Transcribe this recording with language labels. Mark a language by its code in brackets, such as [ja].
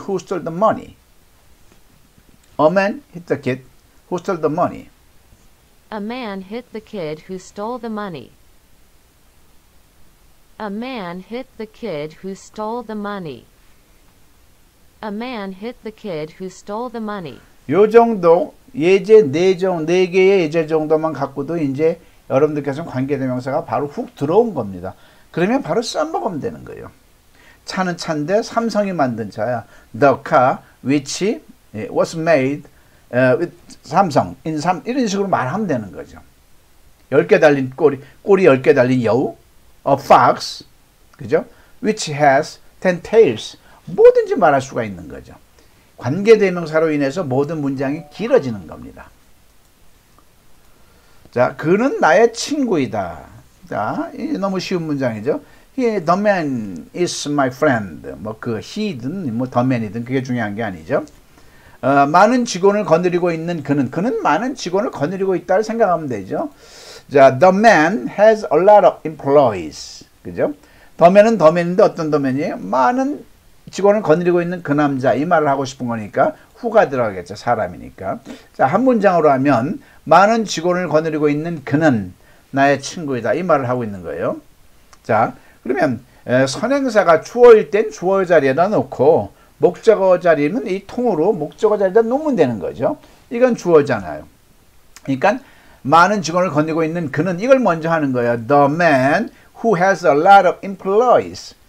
[en] Who stole the money? A man hit the kid. Who stole the money? A man hit the kid who stole the money. A man hit the kid who stole the money. A man hit the kid who stole the money. [ko] 요 정도 예제 네 개의 예제 정도만 갖고도 이제 여러분들께서 관계대명사가 바로 훅 들어온 겁니다. 그러면 바로 써먹으면 되는 거예요. 차는 차인데 삼성이 만든 차야. [en] The car which was made with 삼성, 이런 식으로 말하면 되는 거죠. [ko] 10개 달린 꼬리 10개 달린 여우, a fox, 그죠? [en] Which has 10 tails. [ko] 뭐든지 말할 수가 있는 거죠. 관계대명사로 인해서 모든 문장이 길어지는 겁니다. 자, 그는 나의 친구이다. 자, 너무 쉬운 문장이죠. [en] The man is my friend. 뭐, 그 he든, 뭐, the man이든 [ko] 그게 중요한 게 아니죠. 많은 직원을 거느리고 있는 그는 많은 직원을 거느리고 있다를 생각하면 되죠. [en] 자, the man has a lot of employees. [ko] 그죠? The man은 the man인데 어떤 the man이에요? 많은 직원을 거느리고 있는 그 남자, 이 말을 하고 싶은 거니까 who가 들어가겠죠. 사람이니까. 자, 한 문장으로 하면 많은 직원을 거느리고 있는 그는 나의 친구이다. 이 말을 하고 있는 거예요. 자, 그러면 선행사가 주어일 땐 주어 자리에다 놓고 목적어 자리는 이 통으로 목적어 자리에다 놓으면 되는 거죠. 이건 주어잖아요. 그러니까 많은 직원을 거느리고 있는 그는 이걸 먼저 하는 거예요. [en] The man who has a lot of employees.